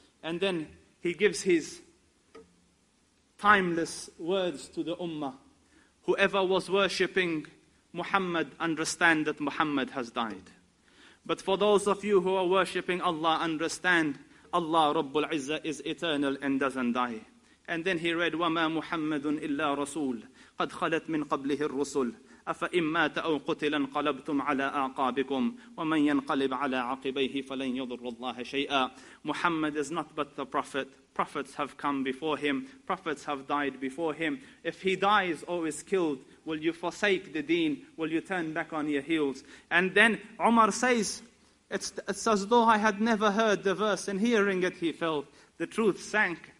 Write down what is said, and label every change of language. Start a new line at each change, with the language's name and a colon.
English: And then he gives his timeless words to the ummah. Whoever was worshipping Muhammad, understand that Muhammad has died. But for those of you who are worshipping Allah, understand Allah Rabbul Izzah is eternal and doesn't die. And then he read,
Arabic: وَمَا مُحَمَّدٌ إِلَّا رَسُولٌ قَدْ خَلَتْ مِنْ قَبْلِهِ الرُّسُلُ أَفَإِنْ مَاتَ أَوْ قُتِلَ انْقَلَبْتُمْ عَلَىٰ أَعْقَابِكُمْ وَمَنْ يَنْقَلِبْ عَلَىٰ عَقِبَيْهِ فَلَنْ يَضُرَّ اللَّهَ شَيْئًا.
English: Muhammad is not but the Prophet. Prophets have come before him. Prophets have died before him. If he dies or is killed, will you forsake the deen? Will you turn back on your heels? And then Umar says, it's as though I had never heard the verse, and hearing it he fell. The truth sank.